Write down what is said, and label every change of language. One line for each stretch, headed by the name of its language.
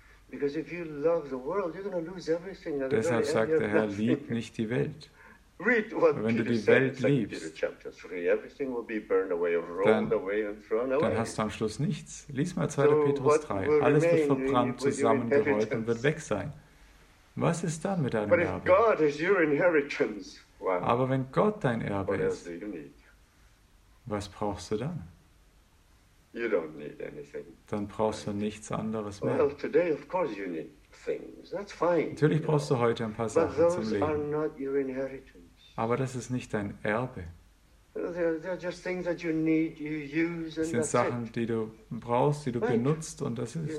English: Because if you love the world, you're going to lose everything.
German: Deshalb sagt der Herr, lieb nicht die Welt.
English: Read what
German: wenn du die Welt liebst, dann hast du am Schluss nichts. Lies mal 2. Petrus 3. Alles wird verbrannt, zusammengerollt und wird weg sein. Was ist dann mit deinem Erbe?
English: God is your inheritance,
German: aber wenn Gott dein Erbe ist, was brauchst du dann?
English: You don't need anything.
German: Dann brauchst du nichts anderes mehr.
English: Well, today of course you need things. That's fine.
German: Natürlich brauchst du heute ein paar Sachen zum Leben.
English: But those are not your inheritance.
German: Aber das ist nicht dein Erbe.
English: They're just things that you need, you use, and
German: es sind Sachen, die du brauchst, die du benutzt, und das ist